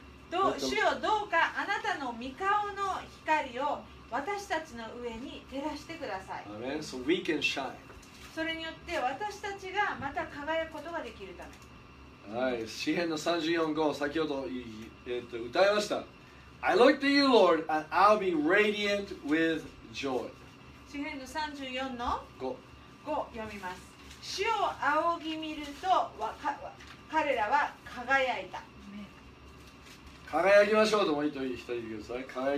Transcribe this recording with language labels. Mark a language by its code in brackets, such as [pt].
[ja] どう、主よ、どうかあなたの御顔の光を私たちの上に照らしてください。 [en] Amen. So we can shine. [ja] それによって私たちがまた輝くことができるため。はい、詩編の34:5、先ほど、歌いました。 [en] I look to you, Lord, and I'll be radiant with joy. [ja] 詩編の34:5読みます。主を仰ぎ見ると、彼らは輝いた。輝きましょうと思って一人言ってください。